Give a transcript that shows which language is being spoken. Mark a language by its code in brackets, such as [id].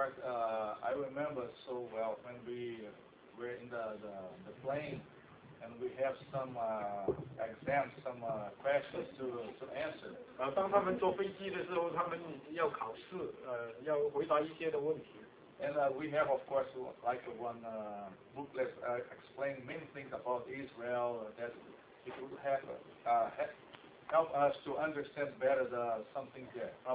[en] I remember so well when we were in the plane and we have some exams, some questions to answer. [zh] 当他们坐飞机的时候，他们要考试，要回答一些的问题。 [en] And we have, of course, like one booklet explaining many things about Israel that it would have help us to understand better the something there.